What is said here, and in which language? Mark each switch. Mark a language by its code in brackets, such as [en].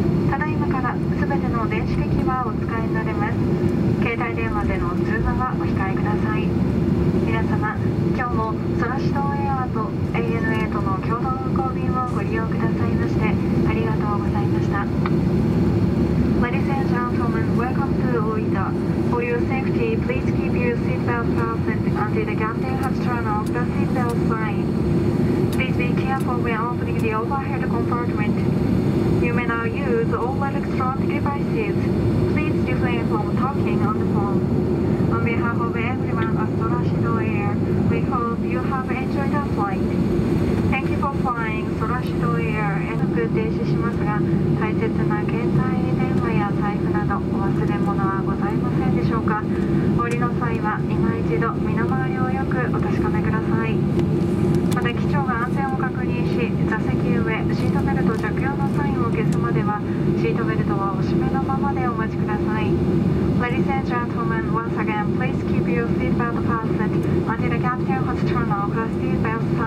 [ja] ただいまから全ての電子機器はお使いになれます。携帯電話での通話はお控えください。皆様、今日もソラシドエアと ANA との共同運航便をご利用くださいましてありがとうございました。 [en] Ladies and gentlemen, welcome to Oita. For your safety, please keep your seatbelt fastened until the captain has turned off the seatbelt sign. Please be careful when opening the overhead compartment. You may now use all electronic devices. Please refrain from talking on the phone. On behalf of everyone at Sorashido Air, we hope you have enjoyed our flight. Thank you for flying Sorashido Air. [ja] 遠く停止しますが、大切な携帯電話や財布などお忘れ物はございませんでしょうか。降りの際は今一度身の回りをよくお確かめください。また機長が安全を確認し、座席上シートベルト着用のサインを消すまではシートベルトはお締めのままでお待ちください。 [en] Ladies and gentlemen, once again, please keep your seatbelt fastened until the captain has turned off the seatbelt